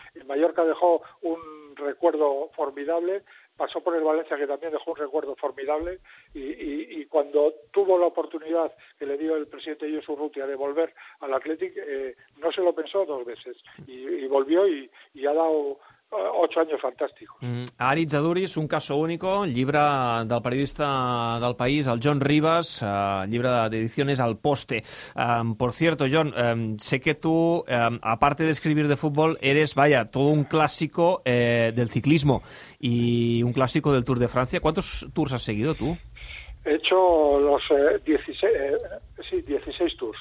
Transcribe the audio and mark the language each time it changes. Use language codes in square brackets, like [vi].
[es] El Mallorca dejó un recuerdo formidable, pasó por el Valencia, que también dejó un recuerdo formidable, y cuando tuvo la oportunidad que le dio el presidente Josu Urrutia de volver al Athletic, no se lo pensó dos veces, y volvió, y ha dado 8 años fantásticos. [ca] Aritz Aduriz, un caso único, llibre del periodista del País, el John Ribas, llibre d'edicions al Poste. [es] Por cierto, John, sé que tú, aparte de escribir de fútbol, eres, vaya, todo un clásico del ciclismo y un clásico del Tour de Francia. ¿Cuántos tours has seguido tú? He hecho los 16 tours.